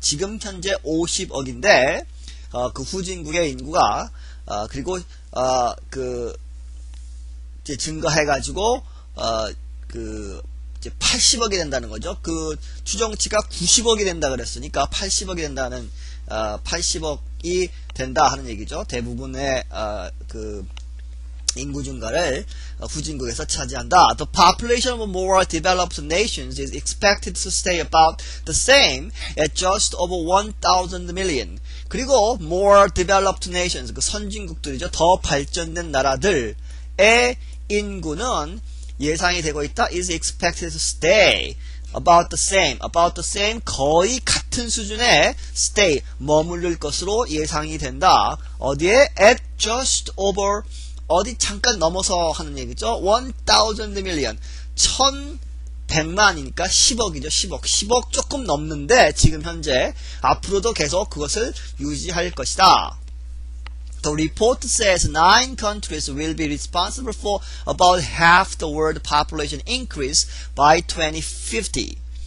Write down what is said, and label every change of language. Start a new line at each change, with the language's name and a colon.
Korean: 지금 현재 50억인데 그 후진국의 인구가 그리고 그 이제 증가해 가지고 그 이제 80억이 된다는 거죠. 그 추정치가 90억이 된다 그랬으니까 80억이 된다는 80억이 된다 하는 얘기죠. 대부분의 그 인구 증가를 후진국에서 차지한다.
English: The population of more developed nations is expected to stay about the same at just over 1,000 million.
Korean: 그리고
English: more developed nations,
Korean: 그 선진국들이죠. 더 발전된 나라들의 인구는 예상이 되고 있다.
English: is expected to stay about the same. about the same
Korean: 거의 같은 수준의
English: stay
Korean: 머무를 것으로 예상이 된다. 어디에?
English: at just over
Korean: 어디 잠깐 넘어서 하는 얘기죠. 1000 million 1100만이니까 10억이죠. 10억. 10억 조금 넘는데 지금 현재 앞으로도 계속 그것을 유지할 것이다.
English: The report says 9 countries will be responsible for about half the world population increase by 2050.